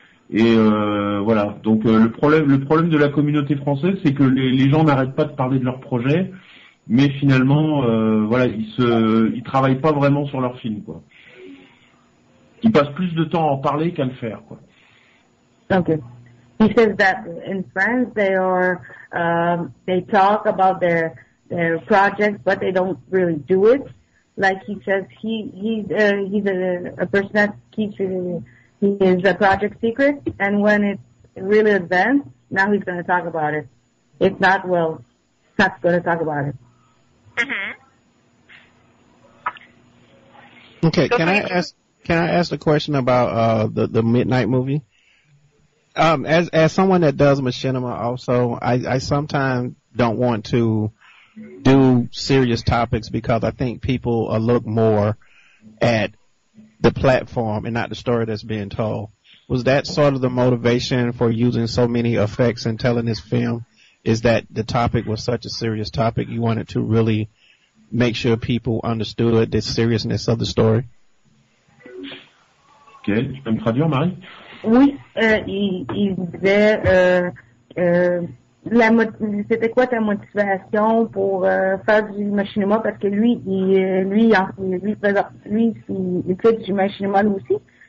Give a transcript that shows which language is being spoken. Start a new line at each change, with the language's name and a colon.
French: Et voilà. Donc le problème de la communauté française, c'est que les gens n'arrêtent pas de parler de leurs projets. Mais finalement, voilà, ils travaillent pas vraiment sur leur film, quoi. Ils passent plus de temps à en parler qu'à le faire, quoi.
English: Okay. He says that in France they are they talk about their projects, but they don't really do it. Like he says, he's a person that keeps his project secret, and when it's really advanced. Now he's going to talk about it. If not, well, Scott's going to talk about it. Mm-hmm. Okay, can I ask a question about the Midnight movie? As someone that does machinima also, I sometimes don't want to do serious topics because I think people look more at the platform and not the story that's being told. Was that sort of the motivation for using so many effects and telling this film? Is that the topic was such a serious topic, you wanted to really make sure people understood the seriousness of the story?
French: Ok, tu peux me traduire, Marie? Oui, il disait, c'était quoi ta motivation pour faire du machinima? Parce que lui, il fait du machinima lui aussi.